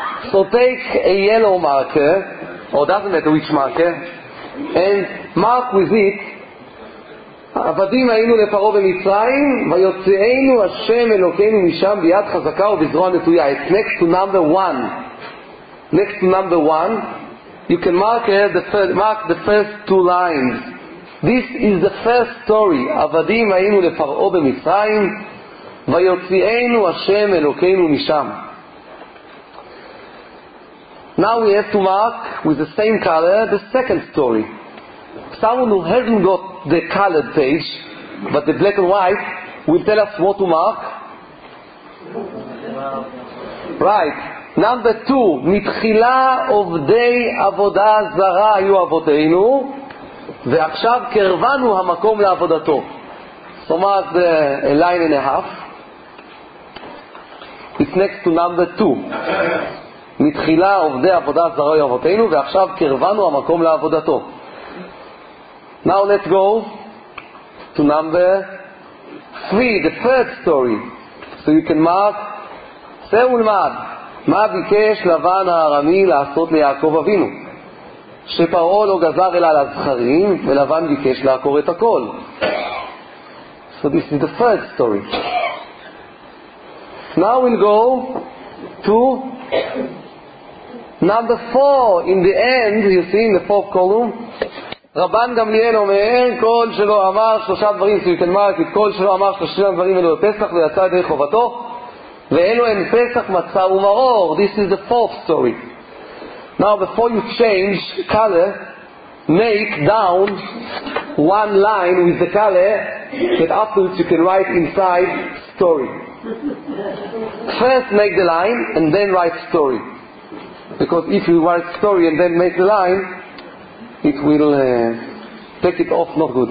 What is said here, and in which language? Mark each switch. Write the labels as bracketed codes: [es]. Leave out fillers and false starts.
[en] So take a yellow marker, or doesn't matter which marker, and mark with it, [he] עבדים היינו לפרעה במצרים, ויוצאנו השם אלוקינו משם ביד חזקה ובזרוע נטויה. [en] It's next to number one. Next to number one, you can mark the first two lines. This is the first story. [he] עבדים היינו לפרעה במצרים, ויוציאנו השם אלוקינו משם. [en] Now we have to mark with the same color the second story. Someone who hasn't got the colored page, but the black and white, will tell us what to mark. Right. Number two, [he] מתחילה עובדי עבודה זרה היו אבותינו, ועכשיו קרבנו המקום לעבודתו. זאת אומרת, [en] a line and a half. It's next to number two. [he] מתחילה עובדי עבודה זרה היו אבותינו, ועכשיו קרבנו המקום לעבודתו. [en] Now let's go to number three, the third story. So you can mark. [he] שם ולמד. מה ביקש לבן הארמי לעשות ליעקב אבינו? שפרעה לא גזר אלא על הזכרים, ולבן ביקש לעקור את הכל. [en] So this is the third story. Now we'll go to number four. In the end, you see in the fourth column, [he] רבן גמליאל אומר, כל שלא אמר שלושה דברים, [en] so you can mark it, [he] כל שלא אמר שלושה דברים אלו בפסח ויצא ידי חובתו, ואלו הם פסח, מצה ומרור. [en] This is the fourth story. Now, before you change color, make down one line with the color that afterwards you can write inside story. First make the line and then write story. Because if you write story and then make the line, it will take it off not good.